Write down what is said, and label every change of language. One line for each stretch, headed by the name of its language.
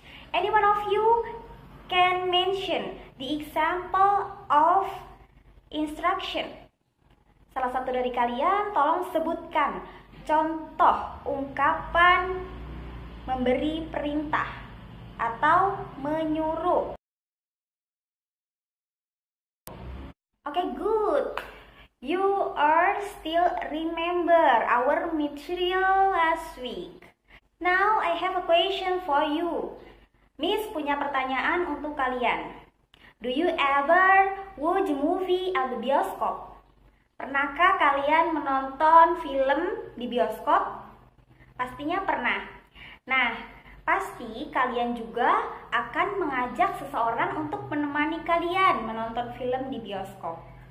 English: Any one of you can mention the example of instruction?
Indonesian: Salah satu dari kalian tolong sebutkan contoh ungkapan memberi perintah atau menyuruh.
English: Okay, good. You are still remember our material last week. Now I have a question for you.
Indonesian: Miss punya pertanyaan untuk kalian.
English: Do you ever watch movie at the bioskop?
Indonesian: Pernahkah kalian menonton film di bioskop? Pastinya pernah. Nah, pasti kalian juga akan mengajak seseorang untuk menemani kalian menonton film di bioskop.